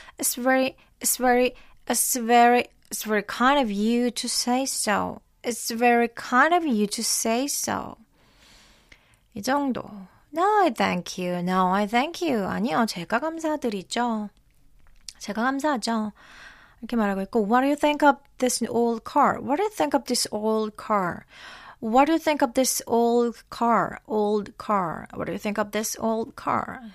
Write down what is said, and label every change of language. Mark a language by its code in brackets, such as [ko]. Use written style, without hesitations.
[en] It's very, it's very, it's very, it's very kind of you to say so. It's very kind of you to say so. [ko] 이 정도. [en] No, I thank you. No, I thank you. [ko] 아니요, 제가 감사드리죠. 제가 감사하죠. 이렇게 말하고 있고 [en] What do you think of this old car? What do you think of this old car? What do you think of this old car? Old car. What do you think of this old car?